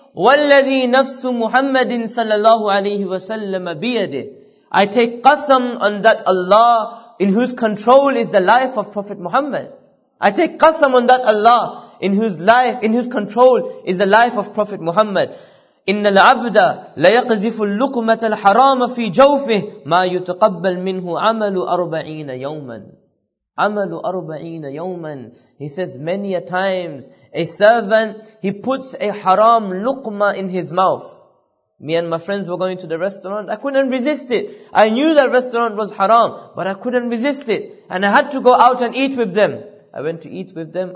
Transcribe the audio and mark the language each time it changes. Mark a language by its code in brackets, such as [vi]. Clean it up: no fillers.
[ar] وَالَّذِي نَفْسُ مُحَمَّدٍ sallallahu alayhi wa sallam بِيَدِهِ. [en] I take qasam on that Allah in whose control is the life of Prophet Muhammad. I take qasam on that Allah in whose life, in whose control is the life of Prophet Muhammad. [ar] إن العبد ليقذف اللقمة الحرام في جوفه ما يتقبل منه عمل أربعين يوما. عمل أربعين يوما. [en] He says many a times a servant, he puts a haram luqma in his mouth. Me and my friends were going to the restaurant. I couldn't resist it. I knew that restaurant was haram, but I couldn't resist it. And I had to go out and eat with them. I went to eat with them.